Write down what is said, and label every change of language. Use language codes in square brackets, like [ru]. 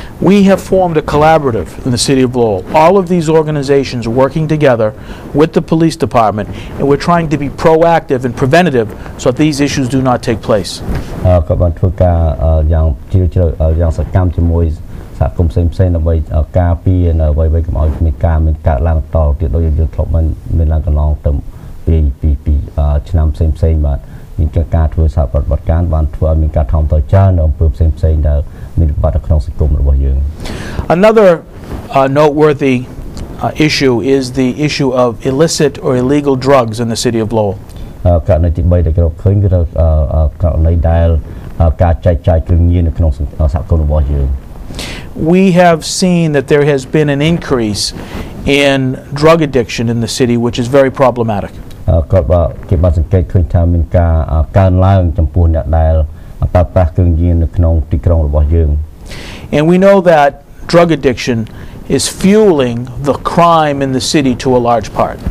[en] We have formed a collaborative in the city of Lowell all of these organizations working together with the police department and we're trying to be proactive and preventative so that these issues do not take place [km] ក៏បានធ្វើការយ៉ាងជ្រាលជ្រៅយ៉ាងសកម្មជាមួយសហគមន៍ផ្សេងផ្សេងដើម្បីការពារនៅអ្វីៗកុំឲ្យមានការមានការឡើងតទៀតដោយយើងធ្លាប់មិនមានឡើងកន្លងទៅពីឆ្នាំផ្សេងផ្សេងបាទមានការធ្វើសហប្រតិបត្តិការបានធ្វើឲ្យមានការថមតចាននៅអំពើផ្សេងផ្សេងដែលមានវិបត្តិក្នុងសង្គមរបស់យើង [en] Another noteworthy issue is the issue of illicit or illegal drugs in the city of Lowell. [km] ករណីទី3ដែលគេរកឃើញគឺករណីដែលការចែកចាយគ្រឿងញៀននៅក្នុងសហគមន៍របស់យើង [en] We have seen that there has been an increase in drug addiction in the city which is very problematic [km] ក៏បើគេបានសង្កេតឃើញថាមានការកើនឡើងចំពោះអ្នកដែលប្រើប្រាស់គ្រឿងញៀននៅក្នុងទីក្រុងរបស់យើង [en] And we know that drug addiction is fueling the crime in the city to a large part